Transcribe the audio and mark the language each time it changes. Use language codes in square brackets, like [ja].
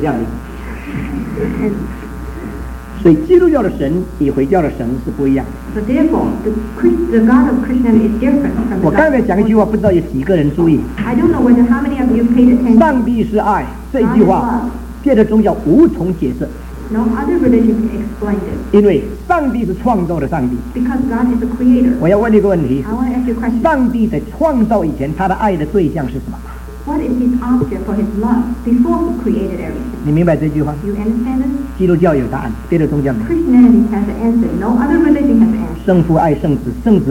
[zh] 1, 所以基督教的神与回教的神是不一样。 [en] So therefore, the God of Christianity is different from the God of Christianity. [zh] 我刚才讲一句话，不知道有几个人注意。 [en] I don't know whether how many of you paid attention. [zh] 上帝是爱，这句话，别的宗教无从解释。 [en] No other religion can explain it. [zh] 因为上帝是创造的上帝。 [en] Because God is the creator. [zh] 我要问一个问题。 [en] I want to ask you a question. [zh] 上帝在创造以前，他的爱的对象是什么？ [en] What is his object for his love before he created everything? [zh] 你明白这句话？ [en] You understand it? [zh] 基督教有答案，别的宗教没有。 [en] Christianity has the answer. No other religion has the answer.